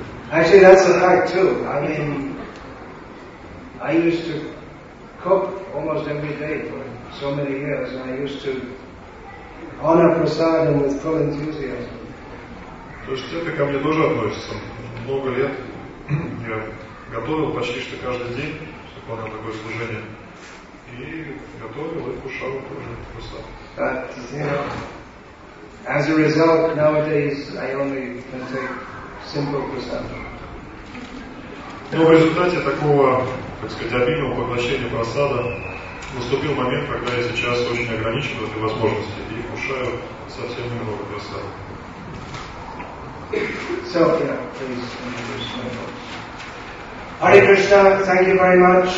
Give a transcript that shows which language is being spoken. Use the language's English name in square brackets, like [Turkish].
[English] Actually, that's a lie too. I mean, I used to cook almost every day for so many years, and I used to honor prasad with full enthusiasm. [Russian] То есть это ко мне тоже относится. Много лет я готовил почти что каждый день, выполнял такое служение, и готовил и кушал тоже прасад. [English] But you know, as a result, nowadays I only can take simple prasad. [Russian] Но в результате такого, так сказать, обильного поглощения просада наступил момент, когда я сейчас очень ограничен в этой возможности и кушаю совсем немного просада. [English] Hare Krishna, thank you very much.